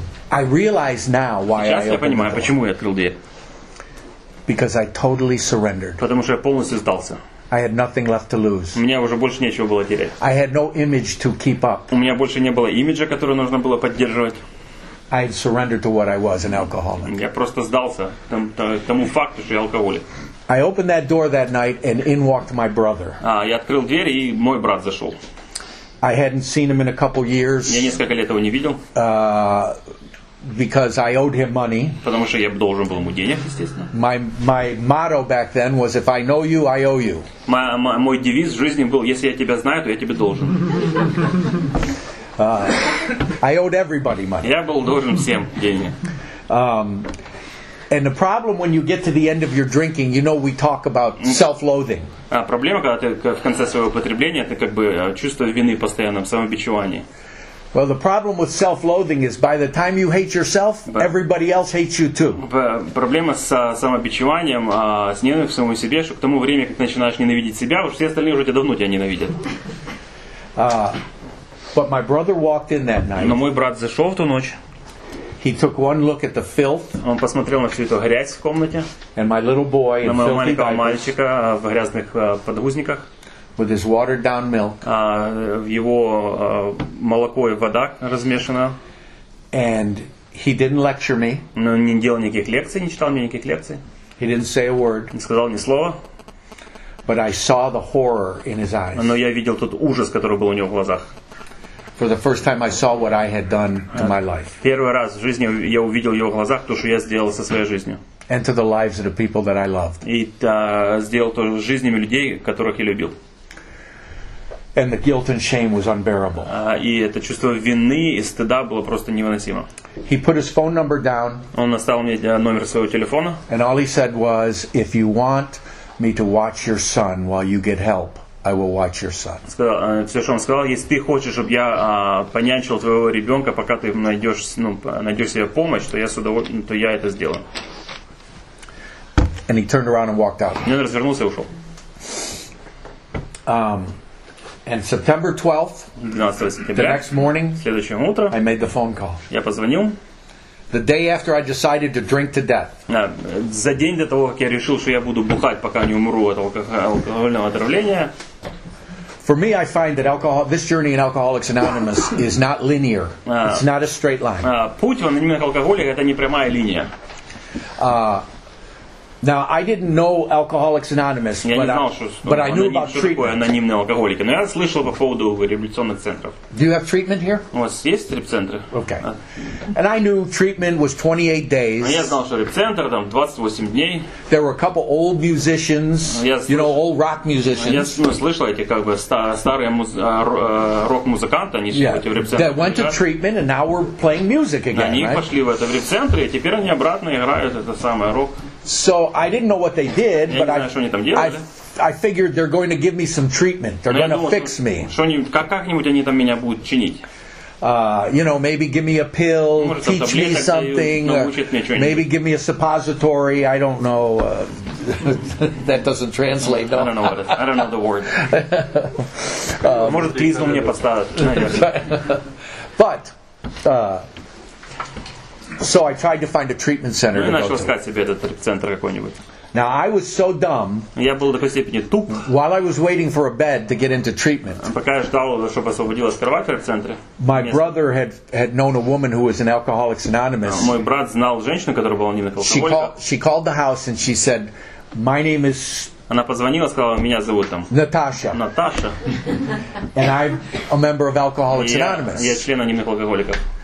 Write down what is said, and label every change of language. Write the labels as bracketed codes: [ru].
[en] I realize now why [ru] Сейчас [en] I opened. [ru] Я понимаю, почему я открыл дверь. [en] Because I totally surrendered. [ru] Потому что я полностью сдался. [en] I had nothing left to lose. [ru] У меня уже больше нечего было терять. [en] I had no image to keep up. [ru] У меня больше не было имиджа, который нужно было поддерживать. [en] I had surrendered to what I was, an alcoholic. [ru] Я просто сдался тому факту, что я алкоголик. [en] I opened that door that night, and in walked my brother. [ru] Я открыл дверь, и мой брат зашел. [en] I hadn't seen him in a couple years. [ru] Я несколько лет его не видел. [en] Because I owed him money. [ru] Потому что я должен был ему денег, естественно. [en] My motto back then was, if I know you, I owe you. [ru] Мой девиз в жизни был, если я тебя знаю, то я тебе должен. [en] I owed everybody money. [ru] Я был должен всем деньги. [en] And the problem when you get to the end of your drinking, you know, we talk about self-loathing. [ru] Проблема, когда ты в конце своего употребления, это как бы чувство вины постоянно, самобичевание. [en] Well, the problem with self-loathing is by the time you hate yourself, everybody else hates you too. [ru] Проблема с самобичеванием, с ненавистью к самому себе, что к тому времени, как начинаешь ненавидеть себя, уж все остальные уже тебя давно тебя ненавидят. [en] But my brother walked in that night. [ru] Но мой брат зашел в ту ночь. [en] He took one look at the filth. [ru] Он посмотрел на всю эту грязь в комнате. [en] And my little boy in filthy diapers. [ru] На моего маленького мальчика в грязных подгузниках. [en] With his watered down milk. [ru] Его молоко и вода размешано. [en] And he didn't lecture me. [ru] Но не делал никаких лекций, не читал мне никаких лекций. [en] He didn't say a word. [ru] Не сказал ни слова. [en] But I saw the horror in his eyes. [ru] Но я видел тот ужас, который был у него в глазах. [en] For the first time I saw what I had done to my life. [ru] Первый раз в жизни я увидел в его глазах то, что я сделал со своей жизнью. [en] And to the lives of the people that I loved. [ru] И сделал то с жизнями людей, которых я любил. [en] And the guilt and shame was unbearable. [ru] И это чувство вины и стыда было просто невыносимо. [en] He put his phone number down. [ru] Он оставил мне номер своего телефона. [en] And all he said was, if you want me to watch your son while you get help. I will watch your son. [ru] Все, что он сказал, если ты хочешь, чтобы я понянчил твоего ребенка, пока ты найдешь себе помощь, то я это сделаю. [en] And he turned around and walked out. [ru] И он развернулся и ушел. [en] And September 12th, [ru] 12 сентября, [en] the next morning, [ru] следующее утро, [en] I made the phone call. [ru] Я позвонил. [en] The day after I decided to drink to death. [ru] За день до того, как я решил, что я буду бухать, пока не умру от алкогольного отравления. [en] For me, I find that this journey in Alcoholics Anonymous is not linear. It's not a straight line. [ru] Путь в анонимных алкоголиках — это не прямая линия. [en] Now, I didn't know Alcoholics Anonymous, but I knew about treatment. [ru] Анонимные алкоголики. Но я слышал по поводу реабилитационных центров. [en] Do you have treatment here? [ru] У вас есть реабилитационные центры? [en] Okay. And I knew treatment was 28 days. [ru] Я знал, что реабилитационный центр там 28 дней. [en] There were a couple old musicians, old rock musicians. [ru] Я слышал эти как бы старые рок-музыканты, они в эти реабилитационные. [en] They went to treatment and now we're playing music again. [ru] Они пошли в это реабилитационные, и теперь они обратно играют это самое рок. [en] So I didn't know what they did, but I figured they're going to give me some treatment. They're going to fix me. [ru] Как-нибудь они там меня будут чинить. [en] Maybe give me a pill, teach me something, maybe give me a suppository. I don't know. That doesn't translate. I don't know what it is. I don't know the word. [ru] Может, клизму мне поставить, наверное. [en] But so I tried to find a treatment center. [ru] Я начал искать себе этот центр какой-нибудь. [en] Now I was so dumb. [ru] Я был такой степени туп. [en] While I was waiting for a bed to get into treatment. [ru] Пока я ждал, чтобы освободилась кровать в центре. [en] My brother had known a woman who was in Alcoholics Anonymous. [ru] Мой брат знал женщину, которая была анонимной алкоголичкой. [en] She called the house and she said, "My name is." [ru] Она позвонила, сказала, меня зовут там. Наташа. Наташа. [en] And I'm a member of Alcoholics Anonymous. [ru] Я член анонимных алкоголиков.